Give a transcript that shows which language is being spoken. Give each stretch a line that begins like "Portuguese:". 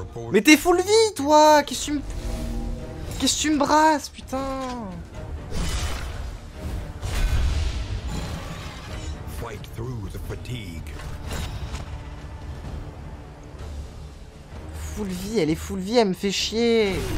French: Mais t'es full vie, toi! Qu'est-ce que tu me brasses, putain!
English: Fight through the fatigue.
French: Full vie, elle est full vie, elle me fait chier!